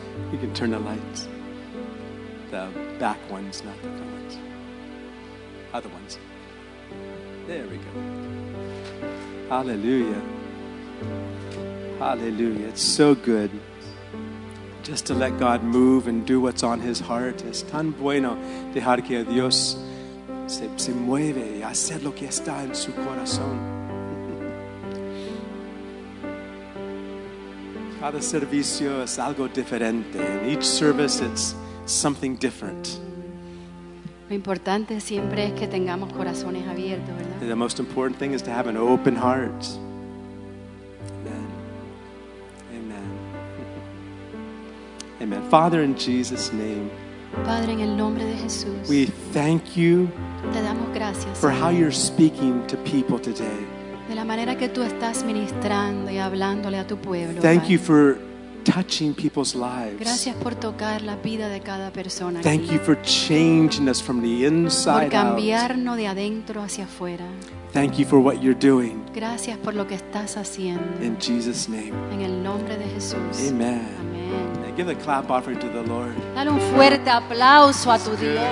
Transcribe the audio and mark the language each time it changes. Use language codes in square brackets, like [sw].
[en] You can turn the lights. The back ones, not the front. Other ones. There we go. Hallelujah. Hallelujah. It's so good just to let God move and do what's on His heart. [es] Es tan bueno dejar que Dios se mueve y hacer lo que está en su corazón. Cada servicio es algo diferente. [en] In each service, it's something different. [es] Lo importante siempre es que tengamos corazones abiertos, ¿verdad? [en] And the most important thing is to have an open heart. Amen. Amen. Amen. Father, in Jesus' name, [es] Padre, en el nombre de Jesús, [en] we thank you. [es] Te damos gracias, [en] for how you're speaking to people today. [es] De la manera que tú estás ministrando y hablándole a tu pueblo. [en] Thank you for touching people's lives. [es] Gracias por tocar la vida de cada persona. [en] Thank you for changing us from the inside [es] out. Por cambiarnos de adentro hacia afuera. [en] Thank you for what you're doing. [es] Gracias por lo que estás haciendo. [en] In Jesus' name. [es] En el nombre de Jesús. Amen. Amen. [en] Now give a clap offering to the Lord. [es] Dale un fuerte aplauso a tu Dios.